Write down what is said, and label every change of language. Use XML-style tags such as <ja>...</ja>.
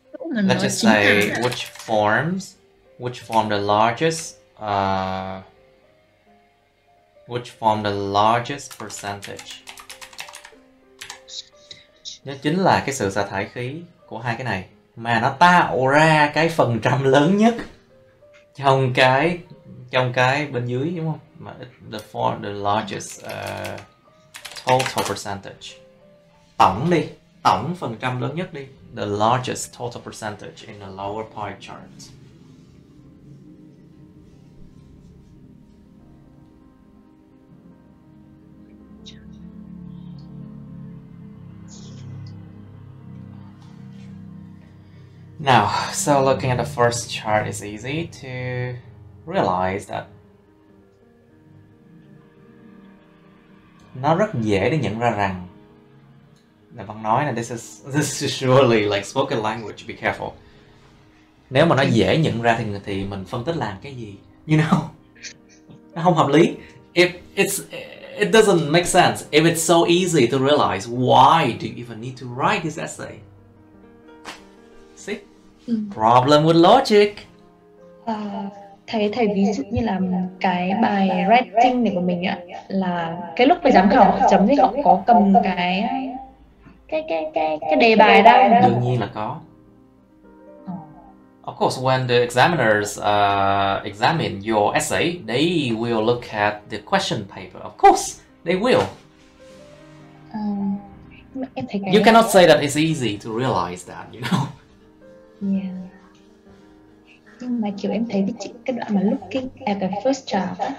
<en>Let's just say which form the largest percentage.</en> <vi>Nó chính là cái sự xả thải khí của hai cái này mà nó tạo ra cái phần trăm lớn nhất trong cái bên dưới, đúng không? Mà</vi> <en>the largest total percentage,</en> <vi>tổng phần trăm lớn nhất đi.</vi> <en>The largest total percentage in the lower pie chart. Now, so looking at the first chart, it's easy to realize that</en> <vi>nó rất dễ để nhận ra rằng là bạn nói là</vi> <en>this is surely like spoken language, be careful.</en> <vi>Nếu mà nó dễ nhận ra thì mình phân tích làm cái gì,</vi> <en>you know?</en> <vi>Nó không hợp lý.</vi> <en>It doesn't make sense. If it's so easy to realize, why do you even need to write this essay? See? Problem with logic.</en> <vi>Thầy ví dụ như là cái bài writing này của mình á, là cái lúc mà giám khảo chấm thì họ có cầm cái đề bài đó. Đương nhiên là có.</vi> <en>Of course, when the examiners examine your essay, they will look at the question paper. Of course, they will. You cannot say that it's easy to realize that, you know. Yeah.</en> <vi>Nhưng mà kiểu em thấy cái đoạn mà</vi> <en>looking at the first chart,</en>